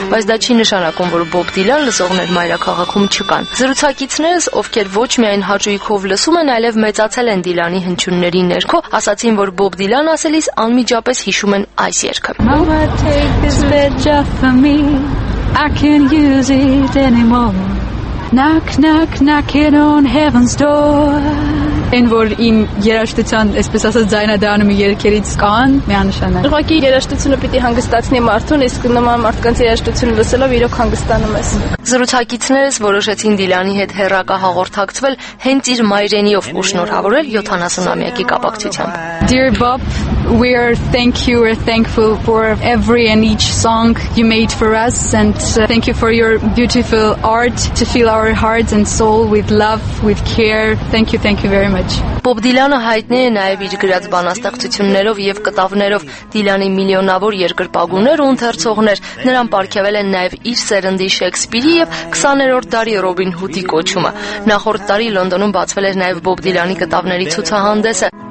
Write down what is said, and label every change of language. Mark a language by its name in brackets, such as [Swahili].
[Armenian] բայց դա չի նշանակում, որ Bob Dylan լսողներ մայրաքաղաքում չկա։ Զրուցակիցներս, ովքեր ոչ միայն հաճույքով լսում են, այլև մեծացել են Dylan-ի հնչյունների ներքո, ասացին, որ Bob Dylan ասելիս անմիջապես հիշում են այս երգը։ [English] Mama, take this badge off of me, I can't use it anymore. Knock, knock, knocking on heaven's door. [Armenian] Են որ իմ երաժշտության այսպես ասած ձայնադառնում երկերից կան միանշանը։ Ուղղակի երաժշտությունը պիտի հանգստացնի մարդուն, իսկ նման մարդկանց երաժշտությունը լսելով իրոք հանգստանում ես։ Զրուցակիցներս որոշեցին Dylan-ի հետ հերակա հաղորդակցվել հենց իր մայրենիով ու շնորհավորել 70-ամյակի կապակցությամբ։ [English] Dear Bob, we are thank you, we're thankful for every and each song you made for us, and thank you for your beautiful art to fill our hearts and soul with love, with care. Thank you very much. [Armenian] Bob Dylan-ը հայտնի է նաև իր գրած բանաստեղծություններով եւ կտավներով։ Dylan-ի միլիոնավոր երկրպագուներ ու ընթերցողներ նրան պարգևել են նաև իր սերնդի Շեքսպիրի եւ 20-րդ դարի Ռոբին Հուդի կոչումը։ Նախորդ տարի Լոնդոնում բացվել էր նաև Bob Dylan-ի կտավների ցուցահանդեսը։